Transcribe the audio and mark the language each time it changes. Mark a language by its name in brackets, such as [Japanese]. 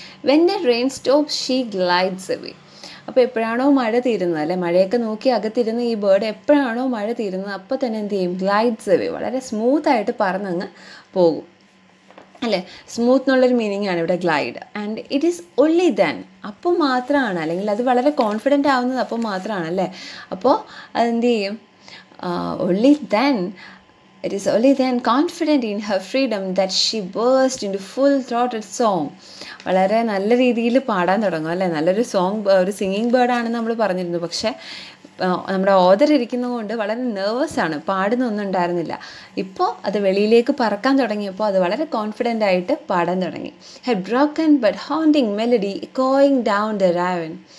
[English] when the rain stop she glides away, [Malayalam] അപ്പോൾ എപ്പോഴാണോ മഴ തീരുന്നത് അല്ലേ, മഴയൊക്കെ നോക്കി അകത്തിരുന്ന ഈ ബേർഡ് എപ്പോഴാണോ മഴ തീരുന്നത് അപ്പോൾ തന്നെ എന്ത് ചെയ്യും, ഗ്ലൈഡ്സ് അവേ, വളരെ സ്മൂത്തായിട്ട് പറന്നങ്ങ് പോകും അല്ലേ. സ്മൂത്ത് എന്നുള്ളൊരു മീനിങ് ആണ് ഇവിടെ glide. [English] and it is only then, [Malayalam] അപ്പോൾ മാത്രമാണ് അല്ലെങ്കിൽ അത് വളരെ കോൺഫിഡൻ്റ് ആവുന്നത് അപ്പോൾ മാത്രമാണ് അല്ലേ. അപ്പോൾ അതെന്ത് ചെയ്യും, only then [English] It is only then, confident in her freedom, that she burst into full-throated song. [Malayalam] വളരെ നല്ല രീതിയിൽ പാടാൻ തുടങ്ങും അല്ലേ. നല്ലൊരു സോങ്, ഒരു സിംഗിങ് ബേർഡാണ് നമ്മൾ പറഞ്ഞിരുന്നു. പക്ഷേ നമ്മുടെ ഓദർ ഇരിക്കുന്നത് കൊണ്ട് വളരെ നെർവസാണ്, പാടുന്നൊന്നും ഉണ്ടായിരുന്നില്ല. ഇപ്പോൾ അത് വെളിയിലേക്ക് പറക്കാൻ തുടങ്ങിയപ്പോൾ അത് വളരെ കോൺഫിഡൻ്റ് ആയിട്ട് പാടാൻ തുടങ്ങി. [English] He broken but haunting melody ഇക്കോയിങ് down the Raven.